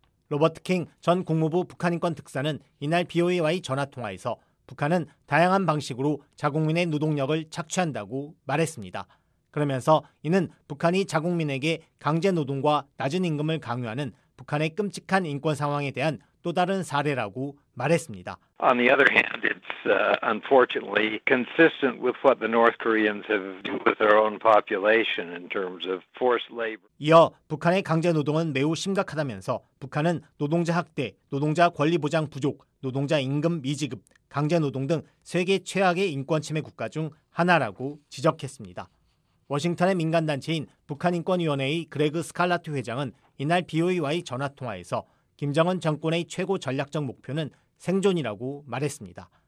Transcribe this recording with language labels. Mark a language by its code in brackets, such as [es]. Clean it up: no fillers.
[ko] 로버트 킹 전 국무부 북한인권특사는 이날 BOA와의 전화통화에서 북한은 다양한 방식으로 자국민의 노동력을 착취한다고 말했습니다. 그러면서 이는 북한이 자국민에게 강제노동과 낮은 임금을 강요하는 북한의 끔찍한 인권 상황에 대한 또 다른 사례라고 말했습니다. [en] On the other hand, it's unfortunately consistent with what the North Koreans have do with their own population in terms of forced labor. [ko] 이어 북한의 강제 노동은 매우 심각하다면서 북한은 노동자 학대, 노동자 권리 보장 부족, 노동자 임금 미지급, 강제 노동 등 세계 최악의 인권 침해 국가 중 하나라고 지적했습니다. 워싱턴의 민간 단체인 북한 인권 위원회의 그레그 스칼라트 회장은 이날 BOA와의 전화 통화에서 김정은 정권의 최고 전략적 목표는 생존이라고 말했습니다.